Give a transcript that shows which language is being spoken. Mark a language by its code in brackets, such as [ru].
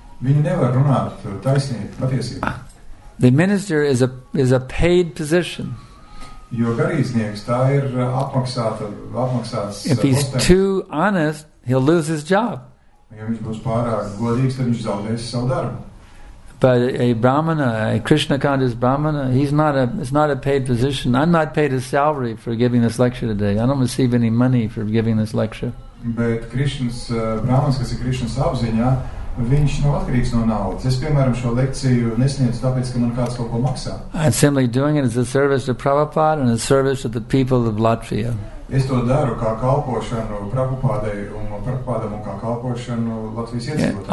[lv] Viņi nevar runāt taisnīt, patiesību. [en] The minister is a paid position. [lv] Jo garīdznieks, tā ir apmaksāts. [en] If he's too honest, he'll lose his job. [lv] Ja viņš būs pārāk godīgs, tad viņš zaudēs savu darbu. [en] But a brahmana, a Krishna conscious brahmana, it's not a paid position. I'm not paid a salary for giving this lecture today. I don't receive any money for giving this lecture. But Krishna's brahmana, [lv] kas ir Krishna's apziņā, viņš nav atkarīgs no naudas. Es piemēram šo lekciju nesniedzu tāpēc, ka man kāds kaut ko maksā. [en] I'm simply doing it as a service to Prabhupada and a service to the people of Latvia. [lv] Es to daru kā kalpošanu Prabhupādai un Prabhupādam un kā kalpošanu Latvijas iedzīvotājiem.